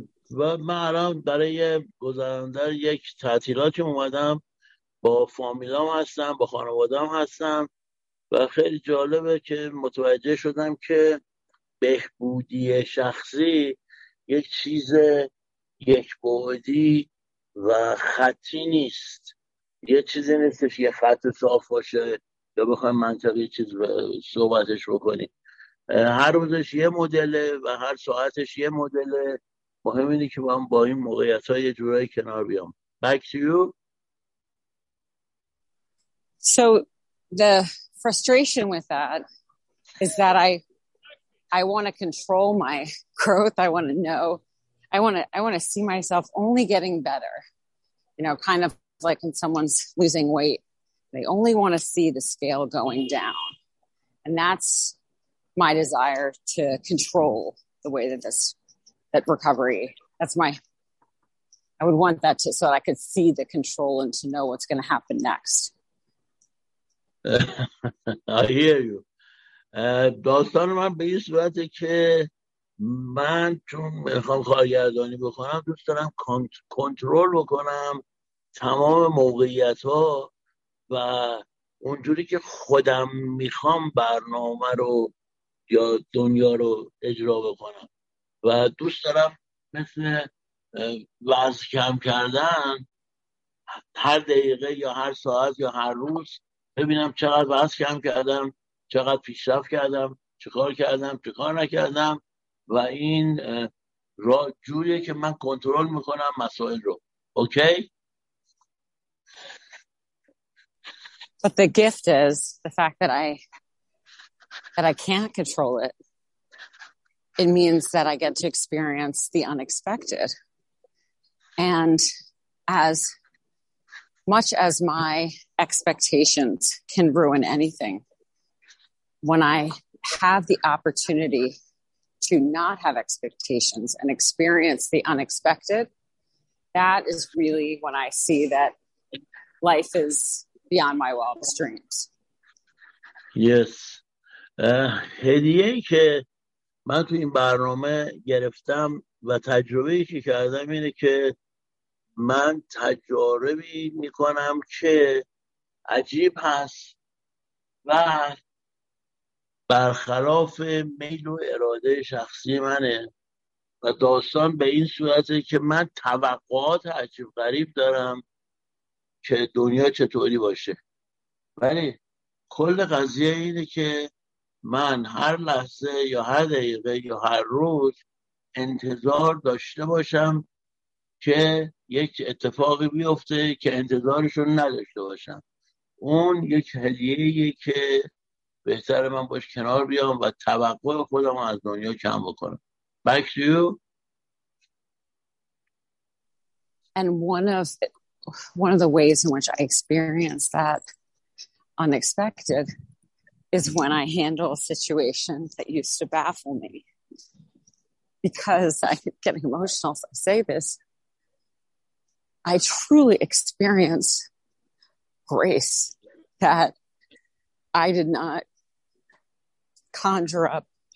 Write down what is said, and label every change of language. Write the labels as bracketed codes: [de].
[fa] و من الان برای گذراندن یک تعطیلاتی اومدم، با فامیلام هستم، با خانوادم هستم و خیلی جالبه که متوجه شدم که بهبودی شخصی یک چیز یک بعدی و خطی نیست، یه چیزی نیستش یه خط صاف باشه یا بخوایم منطقی چیز صحبتش بکنیم. هر روزش یه مدله و هر ساعتش یه مدله. مهم اینه که من با این موقعیت ها یه جورایی کنار بیام. [en] Back to you. So the frustration with that is that I want to control my growth. I want to know. I want to see myself only getting better. You know, kind of like when someone's losing weight, they only want to see the scale going down. And that's my desire to control the way that that recovery, I would want that to, so that I could see the control and to know what's going to happen next. I hear you. [fa] داستان من به این صورته که من چون میخوام کارگردانی بکنم دوست دارم کنترل بکنم تمام موقعیت ها و اونجوری که خودم میخوام برنامه رو یا دنیا رو اجرا بکنم و دوست دارم مثل وزن کم کردن هر دقیقه یا هر ساعت یا هر روز ببینم چقدر وزن کم کردم، چقدر پیشرفت کردم، چیکار کردم، چیکار نکردم و این را جوریه که من کنترل میکنم مسائل رو. اوکی؟ [en] But the gift is the fact that I can't control it. It means that I get to experience the unexpected. And as much as my expectations can ruin anything, when I have the opportunity to not have expectations and experience the unexpected, that is really when I see that life is beyond my wildest dreams. Yes. [fa] هدیه‌ای که من تو این برنامه گرفتم و تجربه‌ای که کردم اینه که من تجاربی میکنم که عجیب هست و برخلاف میل و اراده شخصی منه و داستان به این صورته که من توقعات عجیب غریب دارم که دنیا چطوری باشه، ولی کل قضیه اینه که من هر لحظه یا هر دقیقه یا هر روز انتظار داشته باشم که یک اتفاقی بیفته که انتظارشو نداشته باشم. اون یک هدیه‌ایه که بهتر من باش کنار بیام و توقع خودم از دنیا کم بکنم. [en] Back to you. And one of the ways in which I experience that unexpected is when I handle a situation that used to baffle me. Because I get emotional if I say this, I truly experience grace that I did not conjure up.